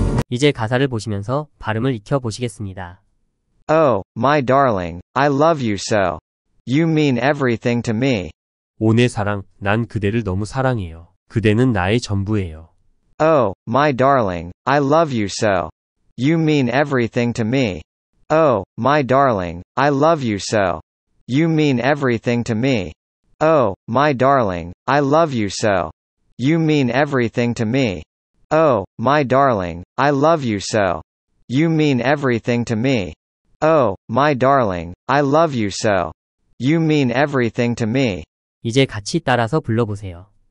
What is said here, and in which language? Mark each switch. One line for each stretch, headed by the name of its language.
Korean: 이제 가사를 보시면서 발음을 익혀 보시겠습니다.
English: Oh, my darling, I love you so. You mean everything to me.
Korean: 오, 내 사랑, 난 그대를 너무 사랑해요. 그대는 나의 전부예요.
English: Oh, my darling, I love you so. You mean everything to me. Oh, my darling, I love you so. You mean everything to me. Oh, my darling, I love you so. You mean everything to me. Oh, my darling, I love you so. You mean everything to me. Oh, my darling, I love you so. You mean everything to me.
Korean: 이제 같이 따라서 불러보세요.